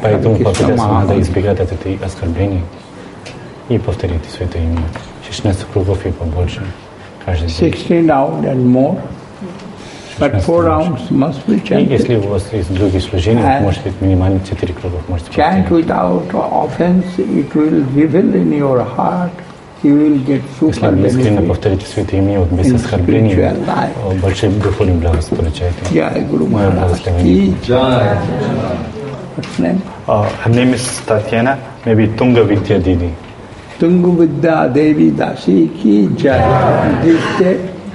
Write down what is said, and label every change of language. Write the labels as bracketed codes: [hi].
[ru] Поэтому надо избегать от этой оскорблений и повторить святое имя. 16 кругов и побольше. [en] 16 round and more. But 4 rounds must be chanted. [ru] Если у вас есть другие служения, может быть минимально 4 кругов можете повторить. [en] Chant without offense, it will reveal in your heart, you will get super benefit. [ru] Если вы искренне повторите святое имя, вот без оскорбления, большим духовным благостью получаете. Я говорю, мое благословение. [en] Her name is Tatiana, maybe Tunga Vidya Didi. Tunga Vidya Devi Dasi Ki Jai.